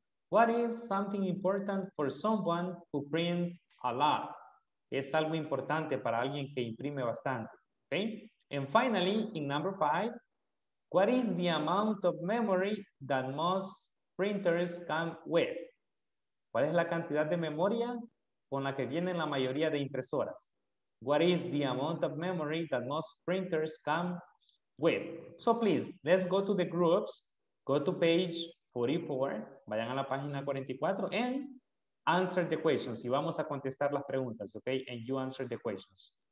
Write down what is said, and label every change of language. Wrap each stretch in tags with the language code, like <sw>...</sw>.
<en>What is something important for someone who prints a lot?</en> <es>Es algo importante para alguien que imprime bastante. Okay.</es> <en>And finally, in number five, what is the amount of memory that most printers come with?</en> <es>¿Cuál es la cantidad de memoria con la que vienen la mayoría de impresoras?</es> <en>What is the amount of memory that most printers come with? So please, let's go to the groups, go to page 44,</en> <es>vayan a la página 44,</es> <en>and answer the questions.</en> <es>Y vamos a contestar las preguntas, okay?</es> <en>And you answer the questions.</en>